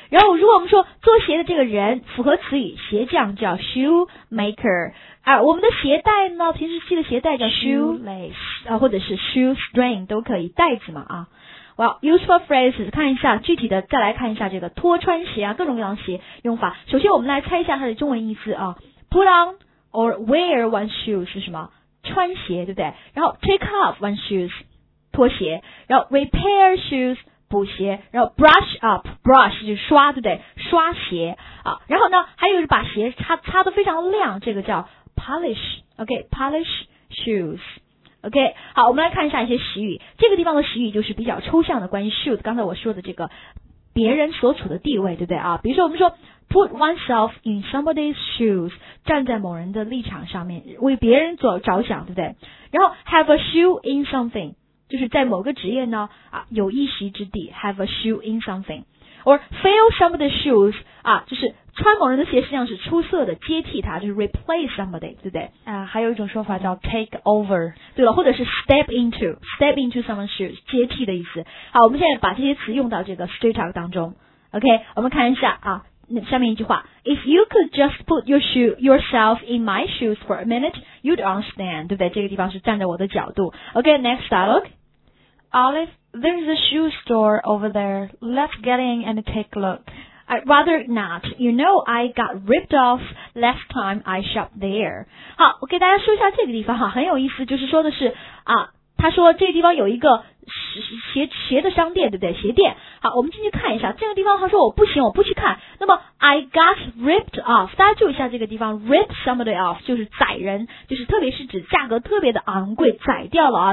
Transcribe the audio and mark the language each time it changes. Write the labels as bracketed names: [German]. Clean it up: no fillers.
[Chinese] 然后如果我们说做鞋的这个人，符合词语鞋匠叫 shoemaker， 啊，我们的鞋带呢，平时系的鞋带叫 [English] shoelace， [Chinese] 啊，或者是 shoestring 都可以，带子嘛啊。 [English] Well, useful phrases， [Chinese] 看一下具体的，再来看一下这个脱穿鞋啊，各种各样的鞋用法。首先我们来猜一下它的中文意思啊 ， [English] put on or wear one's shoe [Chinese] 是什么？穿鞋，对不对？然后 [English] take off one's shoes， [Chinese] 脱鞋，然后 [English] repair shoes， [Chinese] 补鞋，然后 brush up， brush 就是刷，对不对？刷鞋啊。然后呢还有把鞋擦得非常亮，这个叫 polish， OK， [English] polish shoes， [Chinese] OK。好，我们来看一下一些习语，这个地方的习语就是比较抽象的，关于 shoes， 刚才我说的这个别人所处的地位，对不对啊？比如说我们说 [English] put oneself in somebody's shoes， [Chinese] 站在某人的立场上面，为别人做着想，对不对？然后 [English] have a shoe in something， [Chinese] 就是在某个职业呢啊有一席之地， have a shoe in something， [English] or fill somebody's shoes， [Chinese] 啊就是穿某人的鞋，实际上是出色的，接替他，就是 [English] replace somebody， [Chinese] 对不对？啊，还有一种说法叫 [English] take over， [Chinese] 对了，或者是 [English] step into someone's shoes， [Chinese] 接替的意思。好，我们现在把这些词用到这个 straight talk 当中。 [English] OK， 我们看一下啊，那下面一句话 ，If you could just put yourself in my shoes for a minute， you'd understand， [Chinese] 对不对？这个地方是站在我的角度。 [English] OK， next dialogue， Olive， there's a shoe store over there. Let's get in and take a look. I'd rather not. You know, I got ripped off last time I shopped there. [Chinese] 好，我给大家说一下这个地方哈，很有意思，就是说的是啊，他说这个地方有一个鞋的商店，对不对？鞋店。好，我们进去看一下这个地方。他说我不行，我不去看。那么 [English] I got ripped off， [Chinese] 大家注意一下这个地方 ， [English] rip somebody off [Chinese] 就是宰人，就是特别是指价格特别的昂贵，宰掉了啊。